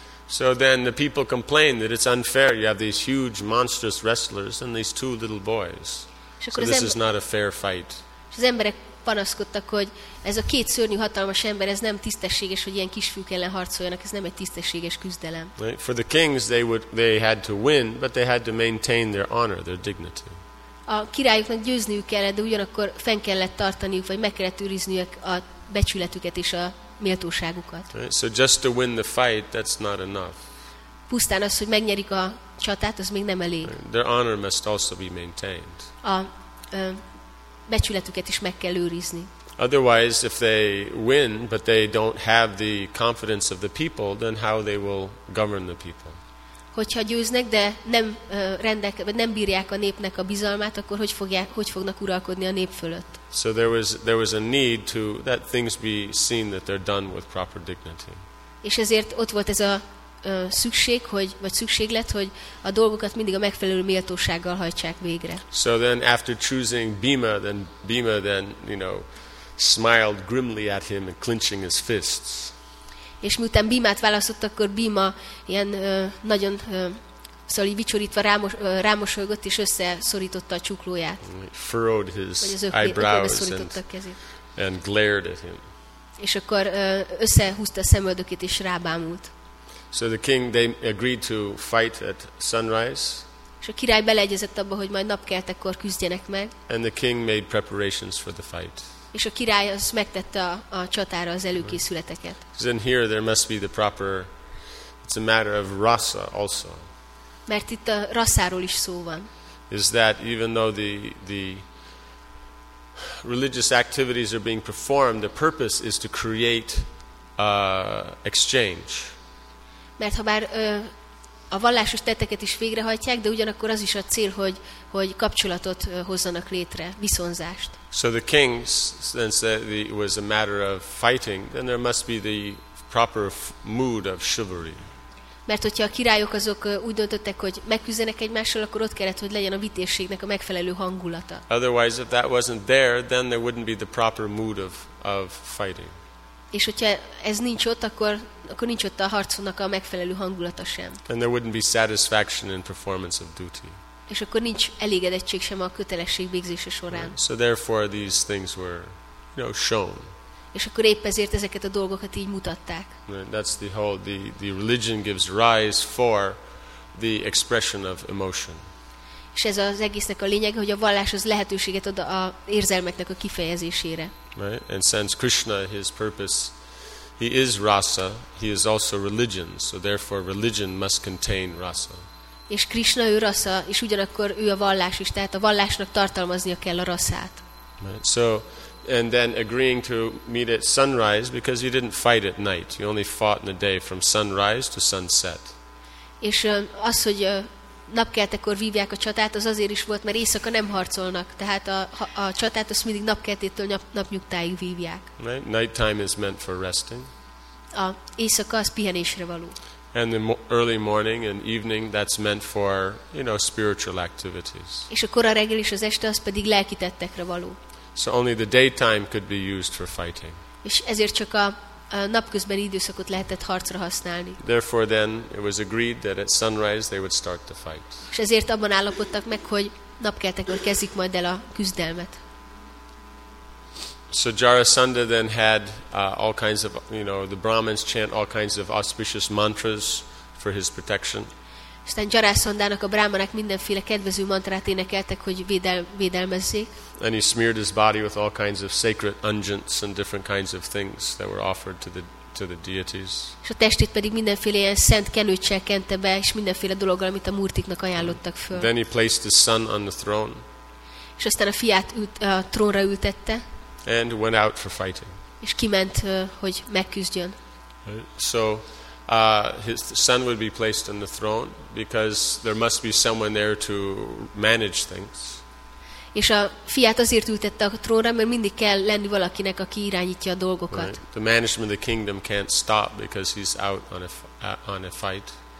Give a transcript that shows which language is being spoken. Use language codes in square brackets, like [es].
[en] So then the people complain that it's unfair. You have these huge monstrous wrestlers and these two little boys. So this is not a fair fight. [hu] És az emberek panaszkodtak, hogy ez a két szörnyű hatalmas ember, ez nem tisztességes, hogy ilyen kisfiúk ellen harcoljanak, ez nem egy tisztességes küzdelem. [en] Right? For the kings they had to win, but they had to maintain their honor, their dignity. [hu] A királyoknak győzniük kellett, de ugyanakkor fenn kellett tartaniuk, vagy meg kellett őrizniük a becsületüket és a méltóságukat. [en] Right? So just to win the fight, that's not enough. [hu] Pusztán az, hogy megnyerik a csatát, az még nem elég. [en] Right? Their honor must also be maintained. [hu] A becsületüket is meg kell őrizni. [en] Otherwise, if they win, but they don't have the confidence of the people, then how they will govern the people? [hu] Hogyha győznek, de nem rendek, vagy nem bírják a népnek a bizalmát, akkor hogy fognak uralkodni a nép fölött? [en] So there was a need to that things be seen that they're done with proper dignity. [hu] És ezért ott volt ez a szükség, hogy vagy szükséglet, hogy a dolgokat mindig a megfelelő méltósággal hajtsák végre. [en] So then after choosing Bhima, then you know, smiled grimly at him and clenching his fists. [hu] És miután Bhimát választott, akkor Bhima ilyen nagyon szóval vicsorítva rámosolygott és összeszorította a csuklóját. [en] Furrowed his eyebrows and glared at him. [hu] És akkor összehúzta a szemöldökét és rábámult. [en] So the king they agreed to fight at sunrise. [hu] És a király beleegyezett abba, hogy majd napkeltekor küzdjenek meg. [en] And the king made preparations for the fight. [hu] És a király az megtette a csatára az előkészületeket. [en] Then here there must be the proper, it's a matter of rasa also. [hu] Mert itt a rasszáról is szó van. [en] Is that even though the religious activities are being performed, the purpose is to create exchange. [hu] Mert ha bár a vallásos tetteket is végrehajtják, de ugyanakkor az is a cél, hogy kapcsolatot hozzanak létre, viszonzást. [en] So the king since it was a matter of fighting, then there must be the proper mood of chivalry. [hu] Mert hogyha a királyok azok úgy döntöttek, hogy megküzdenek egymással, akkor ott kellett, hogy legyen a vitézségnek a megfelelő hangulata. [en] Otherwise, if that wasn't there, then there wouldn't be the proper mood of fighting. [hu] És hogyha ez nincs ott, akkor nincs ott a harcnak a megfelelő hangulata sem. [en] And there wouldn't be satisfaction in performance of duty. [hu] És akkor nincs elégedettség sem a kötelesség végzése során. [en] So therefore these things were, you know, shown. [hu] És akkor épp ezért ezeket a dolgokat így mutatták. [en] That's the whole, the religion gives rise for the expression of emotion. [hu] És ez az egésznek a lényege, hogy a vallás az lehetőséget ad a érzelmeknek a kifejezésére. [en] Right? And since Krishna, his purpose, he is rasa, he is also religion, so therefore religion must contain rasa. [hu] És Krishna ő rasa, és ugyanakkor ő a vallás is, tehát a vallásnak tartalmaznia kell a rasát. [en] Right. So, and then agreeing to meet at sunrise, because you didn't fight at night, you only fought in the day from sunrise to sunset. [hu] És az, hogy napkeltekor vívják a csatát, az azért is volt, mert éjszaka nem harcolnak. Tehát a csatát azt mindig napkeltétől napnyugtáig vívják. [en] Right? Nighttime is meant for resting. [hu] A éjszaka az pihenésre való. [en] And the early morning and evening that's meant for, you know, spiritual activities. [hu] És a kora reggel és az este az pedig lelki tettekre való. [en] So only the daytime could be used for fighting. [hu] És ezért csak a napközbeni időszakot lehetett harcra használni. [en] Therefore then it was agreed that at sunrise they would start the fight. [hu] És ezért abban állapodtak meg, hogy napkeltekor kezdik majd el a küzdelmet. [en] So Jarasandha then had all kinds of, you know, the Brahmins chant all kinds of auspicious mantras for his protection. [hu] Aztán Jarasandának a brahmanák mindenféle kedvező mantrát énekeltek, hogy védelmezzék. [en] And he smeared his body with all kinds of sacred unguents and different kinds of things that were offered to the deities. [hu] És a testét pedig mindenféle ilyen szent kenőccsel kente be, és mindenféle dologgal, amit a murtiknak ajánlottak föl. [en] Then he placed his son on the throne. [hu] És aztán a fiát a trónra ültette. [en] And went out for fighting. [hu] És kiment, hogy megküzdjön. [en] So his son would be placed on the throne because there must be someone there to manage things. [hu] És a fiát azért ültette a trónra, mert mindig kell lenni valakinek, aki irányítja a dolgokat. [en] Right. The management of the kingdom can't stop because he's out on a fight.